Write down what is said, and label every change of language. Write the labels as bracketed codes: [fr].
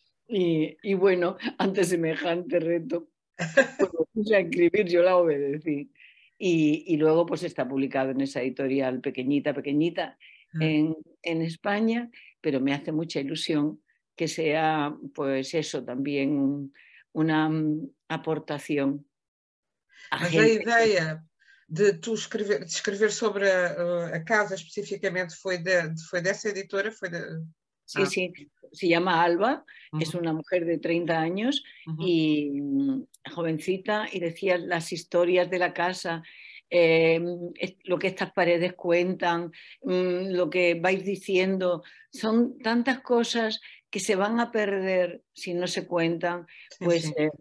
[es] Y bueno, ante semejante reto, cuando puse a escribir yo la obedecí. Y luego pues está publicado en esa editorial pequeñita en España, pero me hace mucha ilusión que sea, pues eso, también una aportación. [pt] Mas a ideia de tu escrever, de escrever sobre a casa especificamente foi, de, foi dessa editora? Foi de... Sim, sim. Se chama Alba, uh-huh. [es] Es una mujer de 30 años, uh-huh. Y jovencita, y decía las historias de la casa, lo que estas paredes cuentan, lo que vais diciendo, son tantas cosas que se van a perder si no se cuentan. Sí, pues sí.